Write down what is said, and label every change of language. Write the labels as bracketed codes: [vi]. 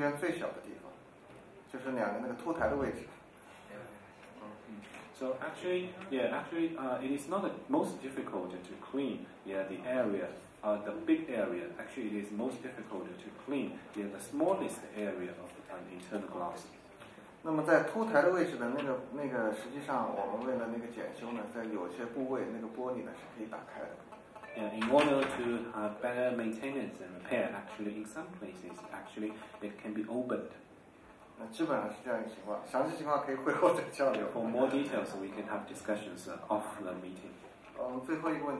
[zh] 那么它最难更换的是在哪呢？实际上它不是在那个空间最大的地方，是在那个空间最小的地方，就是两个那个凸台的位置。 [en] So actually, it is not most difficult to clean, yeah, the area, the big area. Actually, it is most difficult to clean, yeah, the smallest area of the internal glass. [zh] 那么在凸台的位置的那个，实际上我们为了那个检修呢，在有些部位那个玻璃呢是可以打开的。 [en] Yeah, in order to have better maintenance and repair, actually, in some places, actually, it can be opened. [zh] 基本上是这样一个情况，详细情况可以会后再交流。For [en] more details, we can have discussions off the meeting.